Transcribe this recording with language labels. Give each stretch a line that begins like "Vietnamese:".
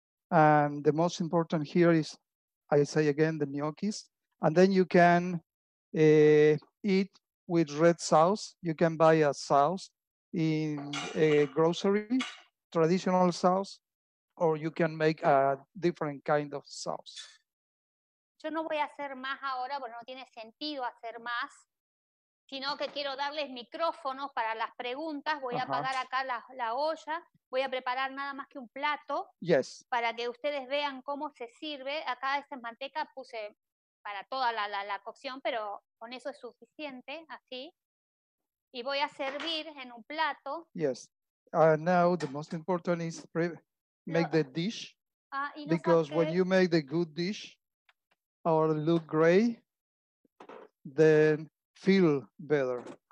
English: And the most important here is, I say again, the gnocchis. And then you can eat with red sauce. You can buy a sauce in a grocery, traditional sauce, or you can make a different kind of sauce.
Spanish: Yo no voy a hacer más ahora, porque no tiene sentido hacer más, sino que quiero darles micrófonos para las preguntas. Voy a apagar acá la olla. Voy a preparar nada más que un plato.
English: Yes.
Spanish: Para que ustedes vean cómo se sirve. Acá esta manteca puse para toda la cocción, pero con eso es suficiente, así. Y voy a servir en un plato.
English: Yes. Now the most important is make the dish. Because when you make the good dish, or look great, then feel better.